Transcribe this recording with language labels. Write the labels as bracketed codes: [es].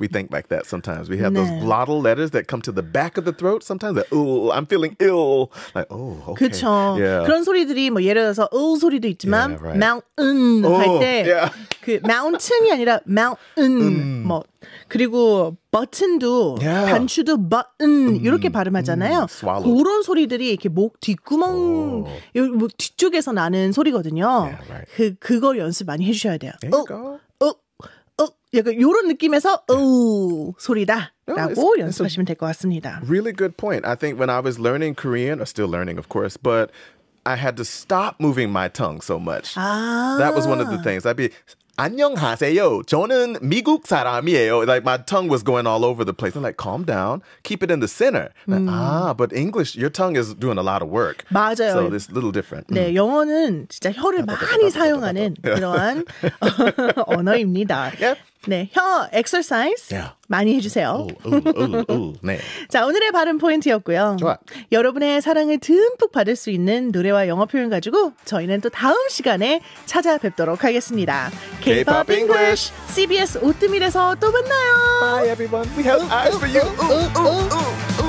[en] We think like that sometimes. We have 네. those glottal letters that come to the back of the throat. Sometimes that I'm feeling ill. Like, okay. [ko] 그렇죠. [en] Yeah. [ko] 그런 소리들이 뭐 예를 들어서 소리도 있지만 [en] yeah, right. mountain 할 때 yeah. [ko] 그 mountain이 아니라 mountain 뭐 그리고 button도 [en] yeah. [ko] 단추도 button 이렇게 발음하잖아요. [en] Swallowed. [ko] 그런 소리들이 이렇게 목 뒷구멍 뭐 뒤쪽에서 나는 소리거든요. [en] Yeah, right. [ko] 그걸 연습 많이 해주셔야 돼요. [en] There you go. [ko] 약간 이런 느낌에서 소리다. No, 연습하시면 될 것 같습니다. [en] Really good point. I think when I was learning Korean, or still learning, of course, but I had to stop moving my tongue so much. [ko] 아. [en] That was one of the things. I'd be [ko] 안녕하세요. 저는 미국 사람이에요. [en] Like my tongue was going all over the place. I'm like, calm down. Keep it in the center. Like, but English, your tongue is doing a lot of work. [ko] 맞아요. [en] So it's a little different. [ko] 네, 영어는 진짜 혀를 많이 사용하는 그런 언어입니다. [en] Yep. [ko] 네, 혀 exercise [en] yeah. [ko] 많이 해주세요. Ooh. 네. 자, 오늘의 발음 포인트였고요. 좋아. 여러분의 사랑을 듬뿍 받을 수 있는 노래와 영어 표현 가지고 저희는 또 다음 시간에 찾아뵙도록 하겠습니다. [en] K-pop English! [ko] CBS 오뜨밀에서 또 만나요! [en] Bye everyone! We have eyes for you! Ooh.